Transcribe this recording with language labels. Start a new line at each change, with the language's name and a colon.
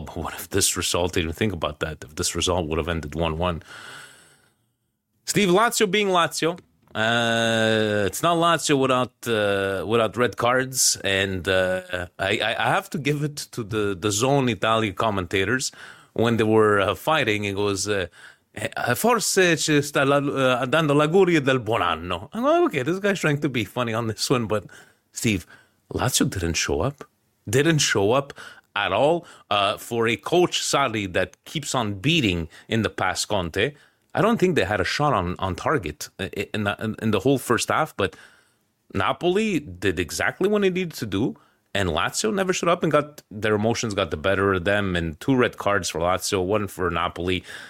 English: But what if this result, even think about that, if this result would have ended 1-1. Steve, Lazio being Lazio. It's not Lazio without red cards. And I have to give it to the Zone Italia commentators when they were fighting. It was,
Italian: forse ci sta dando l'auguria del buon anno.
English: I'm like, okay, this guy's trying to be funny on this one. But Steve, Lazio didn't show up. Didn't show up at all. For a coach, Sarri, that keeps on beating in the past Conte, I don't think they had a shot on target in the whole first half, but Napoli did exactly what they needed to do, and Lazio never showed up and got their emotions got the better of them, and two red cards for Lazio, one for Napoli.